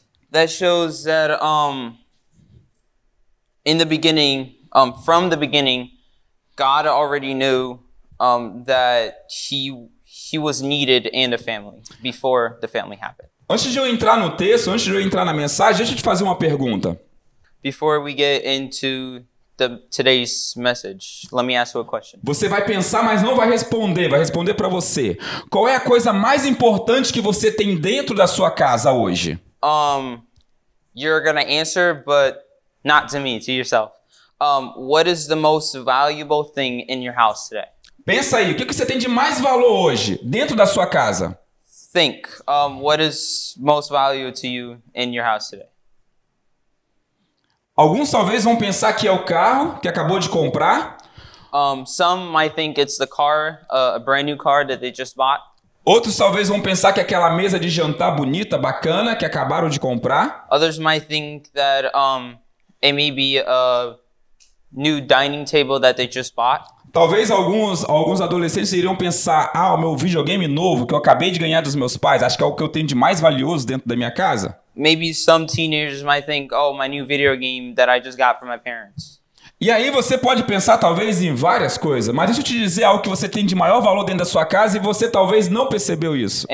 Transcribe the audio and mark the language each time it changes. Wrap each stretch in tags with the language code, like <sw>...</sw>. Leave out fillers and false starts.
<en>That shows that in the beginning, from the beginning, God already knew that he was needed in a family before the family happened.</en> <pt>Antes de eu entrar no texto, antes de eu entrar na mensagem, deixa eu te fazer uma pergunta.</pt> <en>Before we get into today's message, let me ask you a question.</en> <pt>Você vai pensar, mas não vai responder. Vai responder para você. Qual é a coisa mais importante que você tem dentro da sua casa hoje?</pt> <en>You're gonna answer, but not to me, to yourself. What is the most valuable thing in your house today?</en> <pt>Pensa aí, o que você tem de mais valor hoje dentro da sua casa?</pt> <en>Think, what is most valuable to you in your house today?</en> <pt>Alguns talvez vão pensar que é o carro que acabou de comprar.</pt> <en>Some might think it's the car, a brand new car that they just bought.</en> <pt>Outros talvez vão pensar que é aquela mesa de jantar bonita, bacana, que acabaram de comprar.</pt> <en>Others might think that it may be a new dining table that they just bought.</en> <pt>Talvez alguns adolescentes iriam pensar, ah, o meu videogame novo que eu acabei de ganhar dos meus pais, acho que é o que eu tenho de mais valioso dentro da minha casa.</pt> <en>Maybe some teenagers might think, oh, my new video game that I just got from my parents.</en> <pt>E aí você pode pensar talvez em várias coisas, mas deixa eu te dizer algo que você tem de maior valor dentro da sua casa e você talvez não percebeu isso.</pt>